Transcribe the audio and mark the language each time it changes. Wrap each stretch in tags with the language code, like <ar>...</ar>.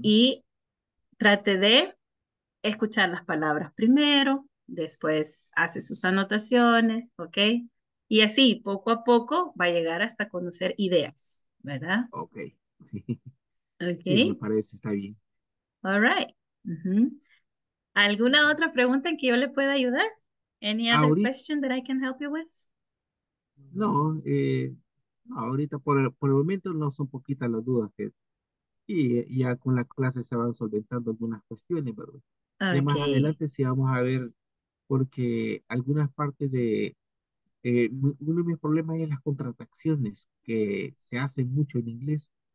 <es>Y trate de escuchar las palabras primero, después hace sus anotaciones, ¿ok? Y así, poco a poco, va a llegar hasta conocer ideas, ¿verdad? Ok, sí.</es> <en>Ok.</en> <es>Sí, me parece, está bien.</es> <en>All right.</en> <es>¿Alguna otra pregunta en que yo le pueda ayudar?</es> <en>Any other question that I can help you with?</en> <es>No, ahorita por el momento no son poquitas las dudas que y ya con la clase se van solventando algunas cuestiones, ¿verdad?</es> <en>Okay.</en> <es>Y más adelante sí vamos a ver, porque algunas partes de uno de mis problemas es las contracciones que se hacen mucho en inglés.</es>